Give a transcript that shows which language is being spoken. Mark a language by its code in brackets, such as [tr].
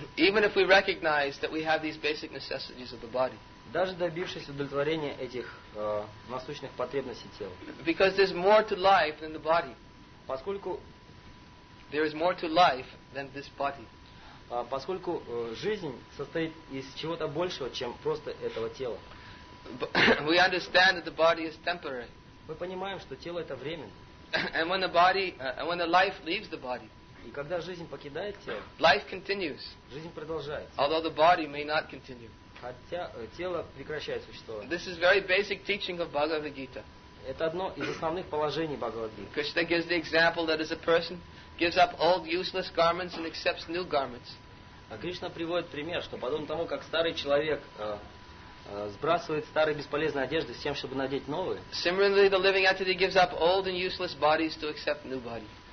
[en] Even if we recognize that we have these basic necessities of the body. [ru] Даже добившись удовлетворения этих насущных потребностей тела. [en] Because there's more to life than the body. [ru] Поскольку [en] there is more to life than this body. [ru] Поскольку жизнь состоит из чего-то большего, чем просто этого тела. [en] We understand that the body is temporary. [ru] Мы понимаем, что тело это временно. [en] And when the body, when the life leaves the body. [ru] И когда жизнь покидает тело, [en] life continues, [ru] жизнь продолжается. [en] Although the body may not continue. [ru] Хотя тело прекращает существовать. [en] This is very basic teaching of Bhagavad Gita. [ru] Это одно из основных положений Бхагавад Гиты. [en] Krishna gives the example that as a person gives up old useless garments and accepts new garments. [ru] А Кришна приводит пример, что подобно тому, как старый человек сбрасывает старые бесполезные одежды с тем, чтобы надеть новые. [en] Similarly, the living entity gives up old and useless bodies to accept new body.